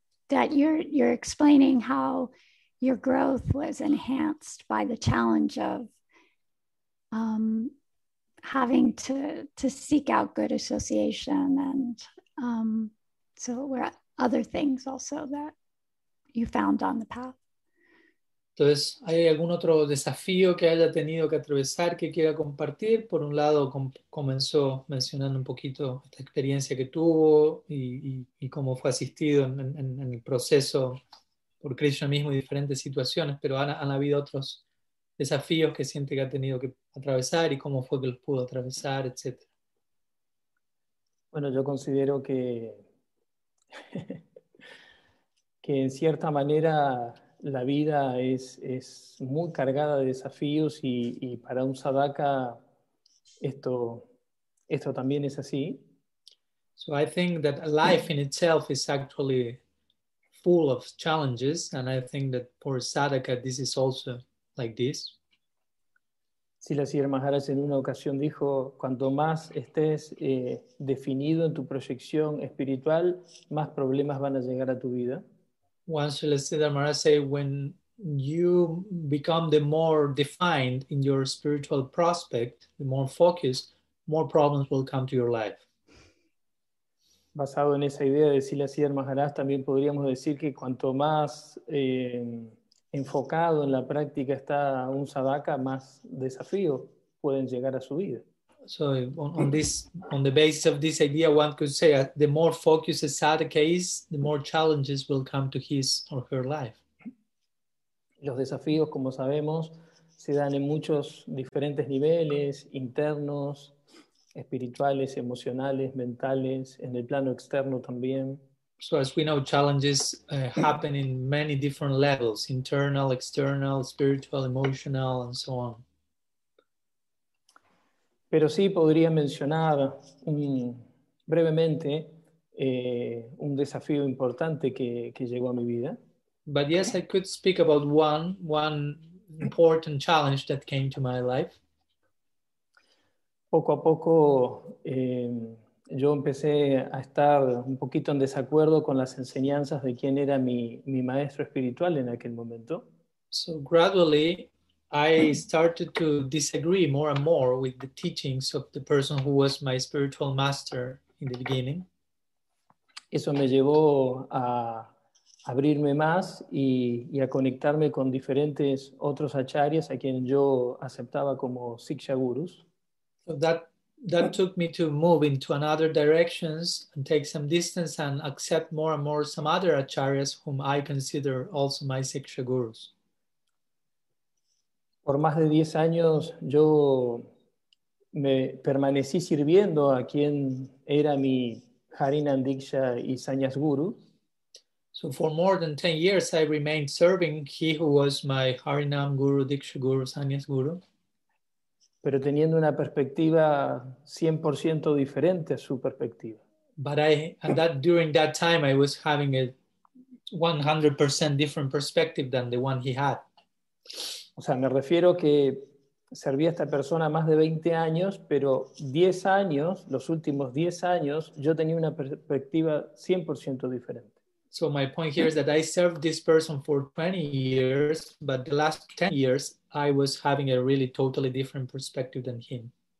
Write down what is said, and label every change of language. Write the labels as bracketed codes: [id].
[en] That you're explaining how your growth was enhanced by the challenge of having to seek out good association, and so were other things also that you found on the path. [es] Entonces, ¿hay algún otro desafío que haya tenido que atravesar que quiera compartir? Por un lado, comenzó mencionando un poquito esta experiencia que tuvo y cómo fue asistido en el proceso por Krishna mismo y diferentes situaciones, pero han habido otros desafíos que siente que ha tenido que atravesar y cómo fue que los pudo atravesar, etc. Bueno, yo considero que que en cierta manera la vida es muy cargada de desafíos y para un sadhaka esto también es así. [en] So I think that life in itself is actually full of challenges, and I think that for a sadhaka this is also like this. [es] Sila Sir Maharaj en una ocasión dijo, cuanto más estés definido en tu proyección espiritual, más problemas van a llegar a tu vida. [en] Once Srila Siddhar Maharaj said, when you become the more defined in your spiritual prospect, the more focused, more problems will come to your life. [es] Basado en esa idea de Srila Siddhar Maharaj, también podríamos decir que cuanto más enfocado en la práctica está un sadhaka, más desafíos pueden llegar a su vida. [en] So on the basis of this idea, one could say the more focused a sadhaka is, the more challenges will come to his or her life. [es] Los desafíos, como sabemos, se dan en muchos diferentes niveles, internos, espirituales, emocionales, mentales, en el plano externo también. [en] So as we know, challenges happen in many different levels, internal, external, spiritual, emotional, and so on. [es] Pero sí podría mencionar brevemente un desafío importante que llegó a mi vida. [en] But yes, I could speak about one important challenge that came to my life. [es] Poco a poco yo empecé a estar un poquito en desacuerdo con las enseñanzas de quién era mi maestro espiritual en aquel momento. [en] So gradually I started to disagree more and more with the teachings of the person who was my spiritual master in the beginning. [es] Eso me llevó a abrirme más y a conectarme con diferentes otros acharyas a quienes yo aceptaba como siksha gurus. [en] So that took me to move into another directions and take some distance and accept more and more some other acharyas whom I consider also my siksha gurus. [es] Por más de 10 años yo me permanecí sirviendo a quien era mi Harinam Diksha y Sanyas Guru. [en] So for more than 10 years, I remained serving he who was my Harinam Guru, Diksha Guru, Sanyas Guru. [es] Pero teniendo una perspectiva 100% diferente a su perspectiva. [en] But during that time, I was having a 100% different perspective than the one he had. [es] O sea, me refiero que serví a esta persona más de 20 años, pero 10 años, los últimos 10 años, yo tenía una perspectiva 100% diferente. [en] So my point here is that I served this person for 20 years, but the last 10 years, I was having a really totally different perspective than him.